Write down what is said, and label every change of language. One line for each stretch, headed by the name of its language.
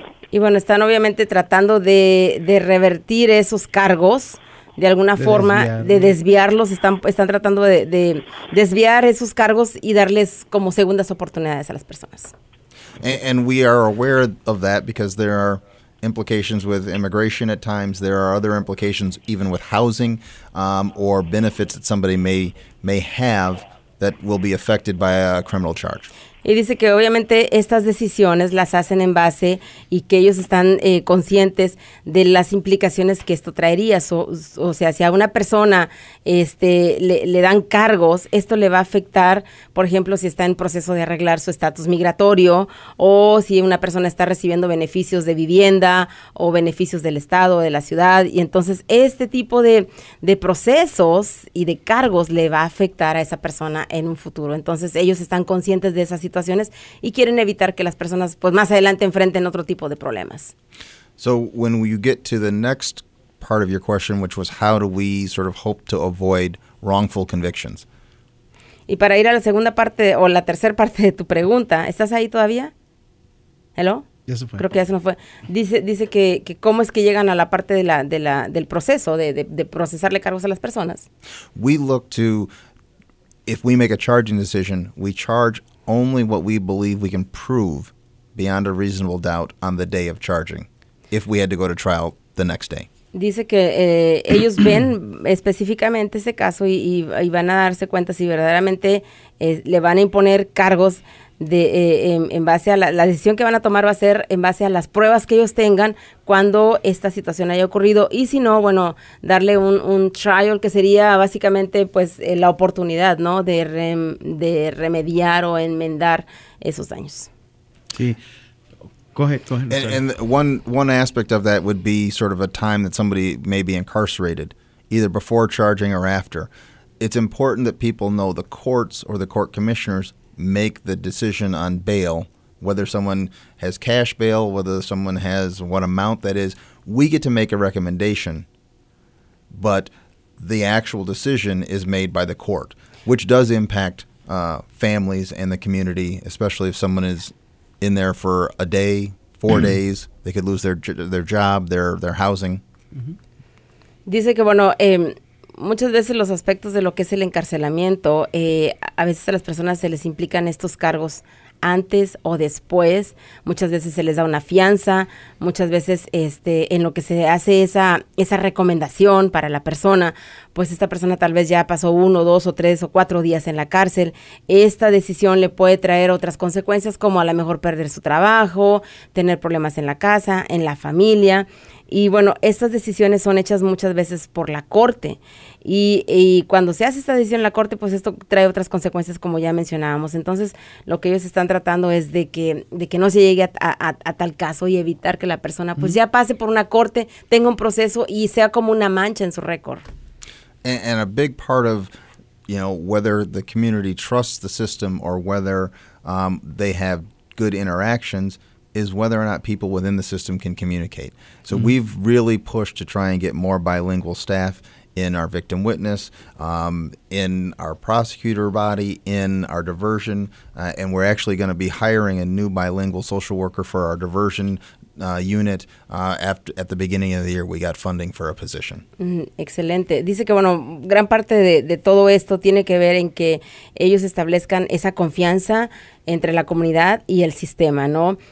Spanish: Y bueno, están obviamente tratando de revertir esos cargos. De alguna forma, de desviarlos, están tratando de desviar esos cargos y darles como segundas oportunidades a las personas.
English: And we are aware of that because there are implications with immigration at times. There are other implications even with housing or benefits that somebody may have that will be affected by a criminal charge.
Spanish: Y dice que obviamente estas decisiones las hacen en base y que ellos están conscientes de las implicaciones que esto traería. O sea, si a una persona le dan cargos, esto le va a afectar, por ejemplo, si está en proceso de arreglar su estatus migratorio o si una persona está recibiendo beneficios de vivienda o beneficios del estado o de la ciudad. Y entonces este tipo de procesos y de cargos le va a afectar a esa persona en un futuro. Entonces ellos están conscientes de esas situaciones y quieren evitar que las personas pues más adelante enfrenten otro tipo de problemas.
English: So when you get to the next part of your question, which was how do we sort of hope to avoid wrongful convictions?
Spanish: Y para ir a la segunda parte o la tercera parte de tu pregunta, ¿estás ahí todavía?
English: Hello?
Spanish: Ya se fue. Creo que ya se nos fue. Dice que cómo es que llegan a la parte del proceso de procesarle cargos a las personas.
English: We look to, if we make a charging decision, we charge only what we believe we can prove beyond a reasonable doubt on the day of charging, if we had to go to trial the next day.
Spanish: Dice que ellos ven específicamente ese caso y van a darse cuenta si verdaderamente le van a imponer cargos en base a la decisión que van a tomar va a ser en base a las pruebas que ellos tengan cuando esta situación haya ocurrido y si no, bueno, darle un trial que sería básicamente pues la oportunidad, ¿no?, de remediar o enmendar esos daños. Sí.
English: Go ahead. And one aspect of that would be sort of a time that somebody may be incarcerated, either before charging or after. It's important that people know the courts or the court commissioners make the decision on bail, whether someone has cash bail, whether someone has what amount that is. We get to make a recommendation, but the actual decision is made by the court, which does impact families and the community, especially if someone is in there for a day, four days, they could lose their job, their housing. Mm-hmm.
Spanish: Dice que, bueno, muchas veces los aspectos de lo que es el encarcelamiento, a veces a las personas se les implican estos cargos antes o después, muchas veces se les da una fianza, muchas veces en lo que se hace esa recomendación para la persona, pues esta persona tal vez ya pasó uno, dos o tres o cuatro días en la cárcel. Esta decisión le puede traer otras consecuencias como a lo mejor perder su trabajo, tener problemas en la casa, en la familia. Y bueno, estas decisiones son hechas muchas veces por la corte. Y cuando se hace esta decisión en la corte, pues esto trae otras consecuencias, como ya mencionábamos. Entonces, lo que ellos están tratando es de que no se llegue a tal caso y evitar que la persona, pues ya pase por una corte, tenga un proceso y sea como una mancha en su récord.
English: And a big part of, you know, whether the community trusts the system or whether they have good interactions is whether or not people within the system can communicate. So we've really pushed to try and get more bilingual staff in our victim witness, in our prosecutor body, in our diversion, and we're actually going to be hiring a new bilingual social worker for our diversion unit at the beginning of the year we got funding for a position.
Spanish: Excelente. Dice que, bueno, gran parte de todo esto tiene que ver en que ellos establezcan esa confianza entre la comunidad y el sistema, ¿no?